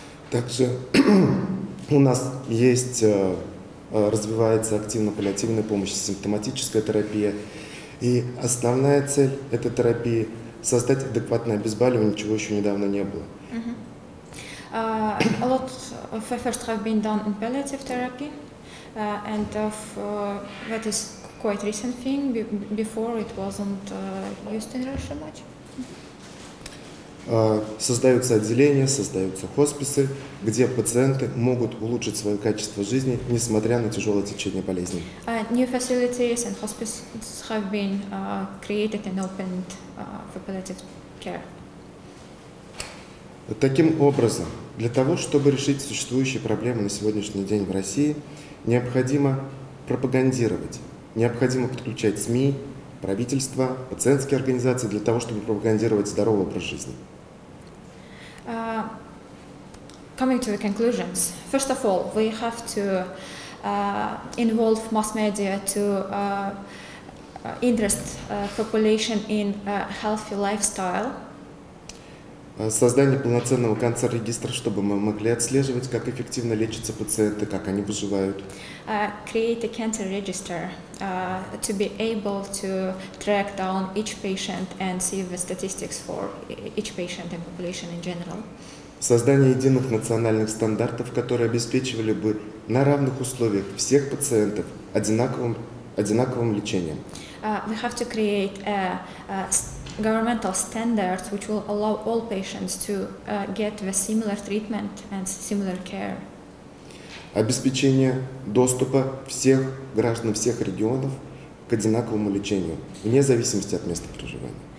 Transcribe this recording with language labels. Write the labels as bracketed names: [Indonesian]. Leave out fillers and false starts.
[Russian] Также у нас есть, развивается активно паллиативная помощь, симптоматическая терапия. И основная цель этой терапии – создать адекватное обезболивание, чего еще недавно не было. [English] A lot of efforts have been done in palliative therapy, and of that is quite recent thing. Before it wasn't used in Russia much. [Russian] Создаются отделения, создаются хосписы, где пациенты могут улучшить свое качество жизни, несмотря на тяжелое течение болезни. [English] New facilities and hospices have been created and opened for palliative care. [Russian] Таким образом, для того, чтобы решить существующие проблемы на сегодняшний день в России, необходимо пропагандировать, необходимо подключать СМИ, правительство, пациентские организации для того, чтобы пропагандировать здоровый образ жизни. [English] Coming to the conclusions. First of all, we have to involve mass media to interest population in a healthy lifestyle. [Russian] Создание полноценного канцер-регистра, чтобы мы могли отслеживать, как эффективно лечатся пациенты, как они выживают. [English] Create a cancer register to be able to track down each patient and see the statistics for each patient and population in general. [Russian] Создание единых национальных стандартов, которые обеспечивали бы на равных условиях всех пациентов одинаковым лечением. [English] We have to create governmental standards, which will allow all patients to get the similar treatment and similar care. [Russian] Обеспечение доступа всех граждан всех регионов к одинаковому лечению, вне зависимости от места проживания.